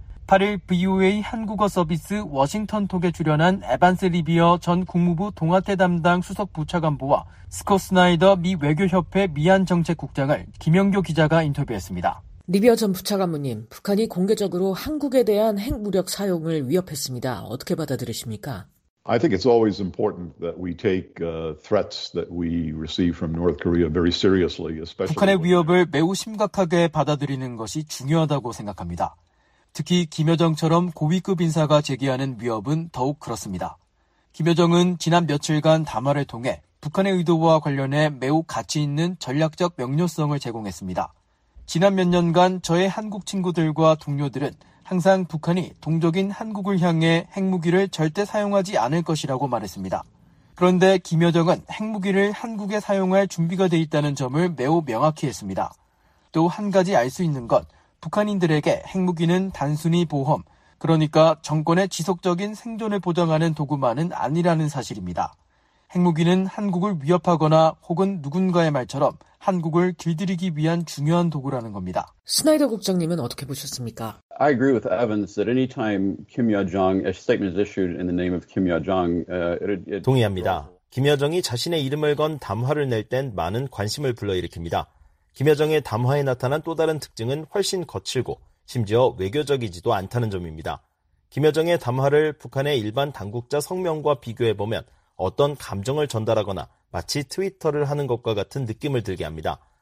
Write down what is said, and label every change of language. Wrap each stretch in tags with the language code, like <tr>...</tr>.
<ko>8일 VOA 한국어 서비스 워싱턴톡에 출연한 에반스 리비어 전 국무부 동아태 담당 수석부차관보와 스콧 스나이더 미 외교협회 미안정책국장을 김영교 기자가 인터뷰했습니다. 리비어 전 부차관부님, 북한이 공개적으로 한국에 대한 핵무력 사용을 위협했습니다. 어떻게 받아들이십니까?</ko> <en>I think it's always important that we take threats that we receive from North Korea very seriously. Especially</en> <ko>북한의 위협을 매우 심각하게 받아들이는 것이 중요하다고 생각합니다. 특히 김여정처럼 고위급 인사가 제기하는 위협은 더욱 그렇습니다. 김여정은 지난 며칠간 담화를 통해 북한의 의도와 관련해 매우 가치 있는 전략적 명료성을 제공했습니다. 지난 몇 년간 저의 한국 친구들과 동료들은 항상 북한이 동족인 한국을 향해 핵무기를 절대 사용하지 않을 것이라고 말했습니다. 그런데 김여정은 핵무기를 한국에 사용할 준비가 돼 있다는 점을 매우 명확히 했습니다. 또 한 가지 알 수 있는 건 북한인들에게 핵무기는 단순히 보험, 그러니까 정권의 지속적인 생존을 보장하는 도구만은 아니라는 사실입니다. 핵무기는 한국을 위협하거나 혹은 누군가의 말처럼 한국을 길들이기 위한 중요한 도구라는 겁니다. 스나이더 국장님은 어떻게 보셨습니까?</ko> <en>I agree with Evans that any time Kim Yo-jong a statement is issued in the name of Kim Yo-jong</en> <ko>동의합니다. 김여정이 자신의 이름을 건 담화를 낼 땐 많은 관심을 불러일으킵니다. 김여정의 담화에 나타난 또 다른 특징은 훨씬 거칠고 심지어 외교적이지도 않다는 점입니다. 김여정의 담화를 북한의 일반 당국자 성명과 비교해보면 어떤 감정을 전달하거나 마치 트위터를 하는 것과 같은 느낌을 들게 합니다.</ko>